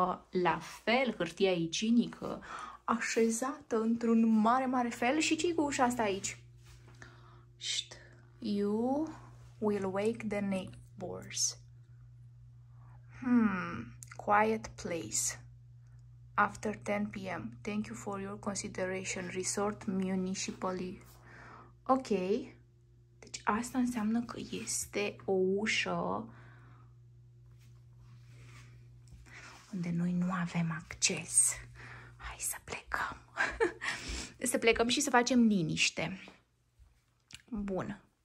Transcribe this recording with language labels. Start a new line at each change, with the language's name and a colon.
Romanian: La fel, hârtia igienică așezată într-un mare, mare fel. Și ce-i cu ușa asta aici? Șt.
English: You will wake the neighbors. Quiet place. After 10 p.m. Thank you for your consideration. Resort municipally. Ok.
Romanian: Deci asta înseamnă că este o ușă unde noi nu avem acces. Hai să plecăm. Să plecăm și să facem liniște. Bun.